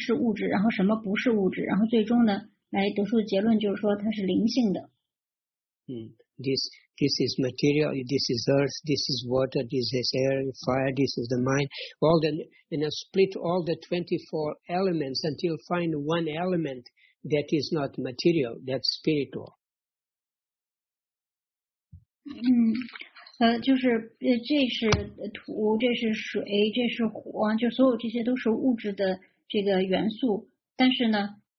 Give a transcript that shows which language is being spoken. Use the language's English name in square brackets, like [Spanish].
[Chinese] 他是用一种分析性的方法来告诉大家什么是物质，然后什么不是物质，然后最终呢？来得出的结论就是说它是灵性的。 [English] This is material, this is earth, this is water, this is air, fire, this is the mind. Split all the 24 elements until find one element that is not material, that's spiritual. [Chinese] 这是土，这是水，这是火，就所有这些都是物质的这个元素，但是呢。